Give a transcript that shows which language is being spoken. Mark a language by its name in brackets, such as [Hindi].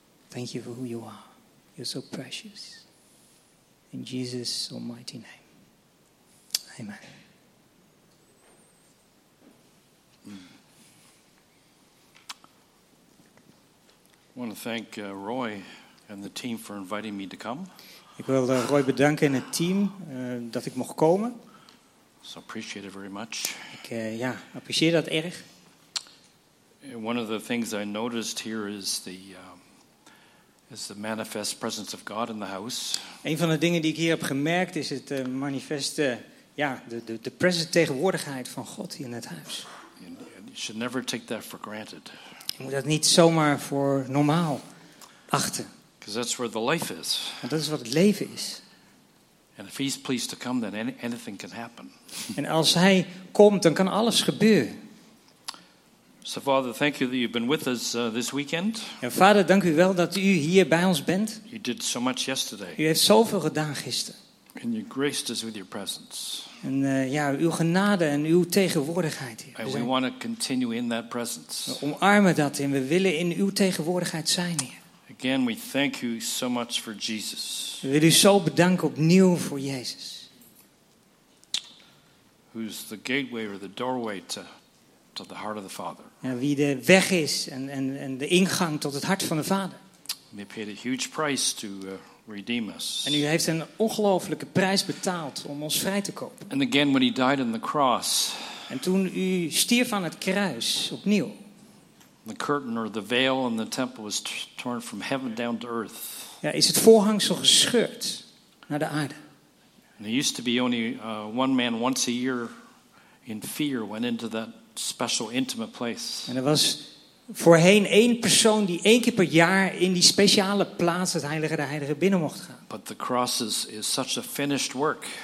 [English] Thank you for who you are. You're so precious. In Jesus' almighty name. Amen. I want to thank Roy and the team for inviting me to come. [Dutch] Ik wil Roy bedanken en het team dat ik mocht komen. [English] So appreciate it very much. [Dutch] Ik apprecieer dat erg. [English] And one of the things I noticed here is the manifest presence of God in the house. [Dutch] Een van de dingen die ik hier heb gemerkt is het manifeste, de presence, tegenwoordigheid van God hier in het huis. [English] You should never take that for granted. [Dutch] Je moet dat niet zomaar voor normaal achten. [English] Because that's where the life is. [Dutch] En dat is wat het leven is. [English] And if he's pleased to come, then anything can happen. [Dutch] En als hij komt, dan kan alles gebeuren. [English] So Father, thank you that you've been with us this weekend. [Dutch] En Vader, dank u wel dat u hier bij ons bent. [English] You did so much yesterday. [Dutch] U heeft zoveel gedaan gisteren. [English] And you graced us with your presence. [Dutch] En uw genade en uw tegenwoordigheid hier. [English] And we want to continue in that presence. [Dutch] We omarmen dat en we willen in uw tegenwoordigheid zijn hier. [English] Again, we thank you so much for Jesus. [Dutch] We willen u zo bedanken opnieuw voor Jezus. [English] Who's the gateway or the doorway to the heart of the Father? [Dutch] Ja, wie de weg is en de ingang tot het hart van de Vader. [English] And he paid a huge price to redeem us. [Dutch] En u heeft een ongelofelijke prijs betaald om ons vrij te kopen. [English] And again, when he died on the cross. [Dutch] En toen u stierf aan het kruis opnieuw. [English] The curtain or the veil in the temple was torn from heaven down to earth. [Dutch] Ja, is het voorhangsel gescheurd naar de aarde? [English] And it used to be only one man once a year in fear went into that special intimate place. [Dutch] En er was voorheen één persoon die één keer per jaar in die speciale plaats het heilige der heiligen binnen mocht gaan. [English] But the cross is such a finished work.